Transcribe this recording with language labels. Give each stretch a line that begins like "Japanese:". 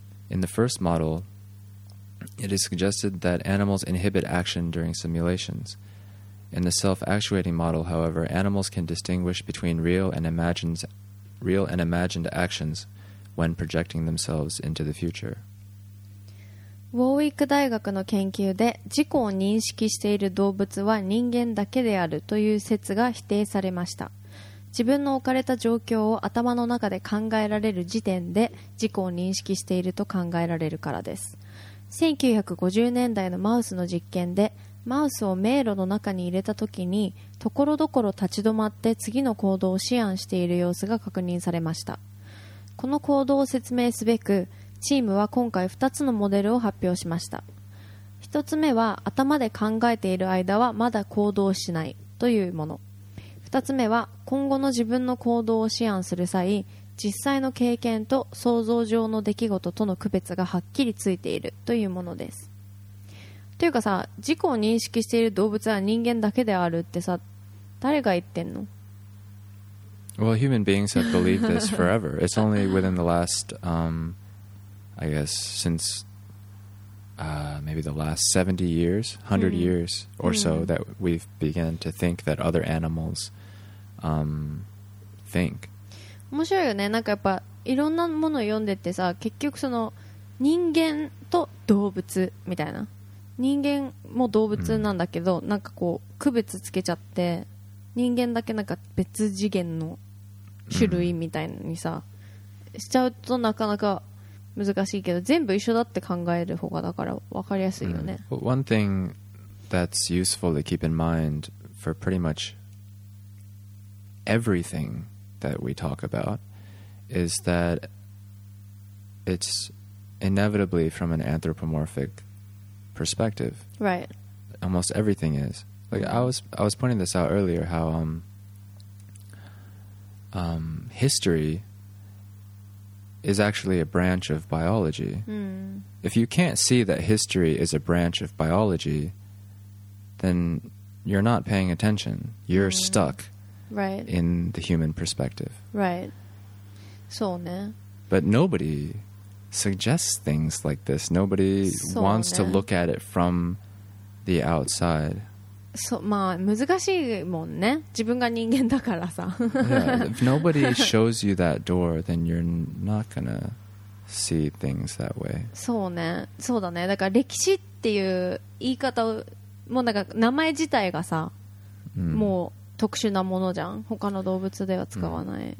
English: In the first model, it is suggested that animals inhibit action during simulations. In the self-actuating model, however, animals can distinguish between real and imagined actions when projecting themselves into the future.
Japanese: ウォーウィーク大学の研究で自己を認識している動物は人間だけであるという説が否定されました。自分の置かれた状況を頭の中で考えられる時点で自己を認識していると考えられるからです。 1950年代のマウスの実験でマウスを迷路の中に入れた時にところどころ立ち止まって次の行動を思案している様子が確認されました。この行動を説明すべくチームは今回2つのモデルを発表しました。 1つ目は頭で考えている間はまだ行動しないというもの。 2つ目は今後の自分の行動を思案する際、実際の経験と想像上の出来事との区別がはっきりついているというものです。というかさ、自己を認識している動物は人間だけであるってさ、誰が言ってんの？
English: Well, human beings have believed this forever. It's only within the last, I guess, since maybe the last 70 years, 100 years or so, that we've begun to think that other animals think.
Japanese: 面白いよね。なんかやっぱいろんなものを読んでてさ、結局その人間と動物みたいな、人間も動物なんだけど、なんかこう区別つけちゃって、人間だけなんか別次元の種類みたいにさ、しちゃうとなかなか難しいけど、全部一緒だって考える方がだから分かりやすいよね。
English: Well, one thing that's useful to keep in mind for pretty much everything that we talk about is that it's inevitably from an anthropomorphic perspective. Right. Almost everything is. Like I was pointing this out earlier, how history is actually a branch of biology. If you can't see that history is a branch of biology, then you're not paying attention. You're stuck in the human perspective. Right.
Japanese: そうね。
English: But nobody suggests things like this. Nobody wants to look at it from the outside.
Japanese: そう、まあ難しいもんね。自分が人間だからさ。
English: Yeah, if nobody shows you that door, then you're not gonna see things that way.
Japanese: そうね。そうだね。だから歴史っていう言い方もなんか名前自体がさ、もう特殊なものじゃん。他の動物では使わない。